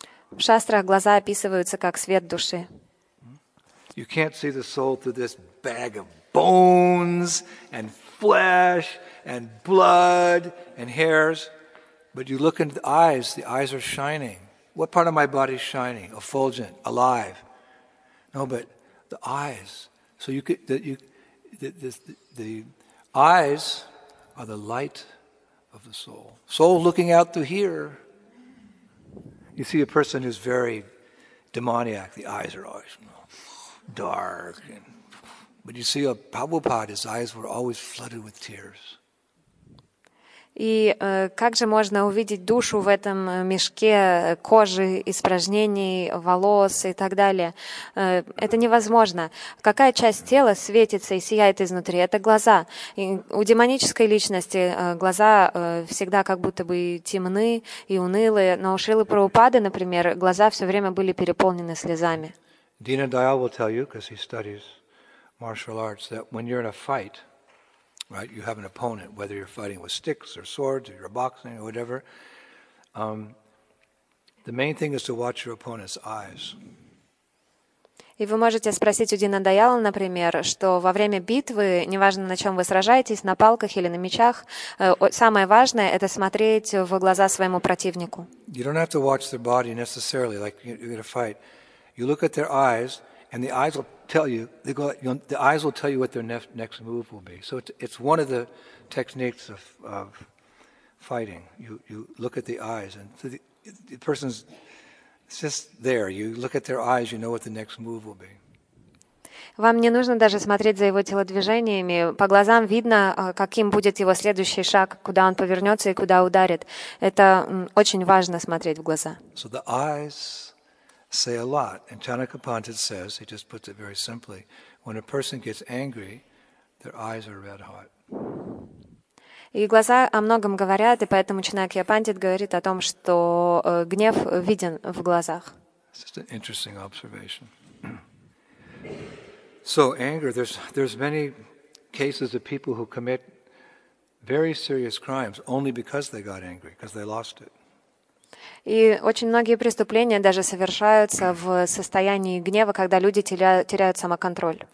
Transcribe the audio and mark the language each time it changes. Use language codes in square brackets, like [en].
[ru] В шастрах глаза описываются как свет души. [en] You can't see the soul through this bag of bones and flesh and blood and hairs, but you look into the eyes are shining. What part of my body is shining? Effulgent, alive. No, but the eyes. So you could the eyes are the light of the soul. Soul looking out through here. You see a person who's very demoniac, the eyes are always dark. But you see a Prabhupada, his eyes were always flooded with tears. [ru] И как же можно увидеть душу в этом мешке кожи, испражнений, волос и так далее? Это невозможно. Какая часть тела светится и сияет изнутри? Это глаза. И у демонической личности глаза всегда как будто бы темны и унылые, но у Шрилы Прабхупады, например, глаза все время были переполнены слезами. [en] Дина Дайал will tell you, because he studies martial arts, that when you're in a fight, right, you have an opponent, whether you're fighting with sticks or swords or you're boxing or whatever. The main thing is to watch your opponent's eyes. [ru] И вы можете спросить у Дина Даяла, например, что во время битвы, неважно, на чем вы сражаетесь, на палках или на мечах, самое важное — это смотреть в глаза своему противнику. [en] You don't have to watch their body necessarily, like you're going to fight. You look at their eyes, and the eyes will tell you, they go, you know, the eyes will tell you what their next move will be. So it's one of the techniques of fighting. You look at the eyes, and so the person's just there. You look at their eyes, you know what the next move will be. [ru] Вам не нужно даже смотреть за его телодвижениями. По глазам видно, каким будет его следующий шаг, куда он повернется и куда ударит. Это очень важно смотреть в глаза. [en] So the eyes say a lot. And Chanaka Pandit says, he just puts it very simply, when a person gets angry, their eyes are red hot. [ru] И глаза о многом говорят, и поэтому Чанакья Пандит говорит о том, что гнев виден в глазах. [en] It's just an interesting observation. So anger, there's many cases of people who commit very serious crimes only because they got angry, because they lost it. [ru] И очень многие преступления даже совершаются в состоянии гнева, когда люди теряют самоконтроль.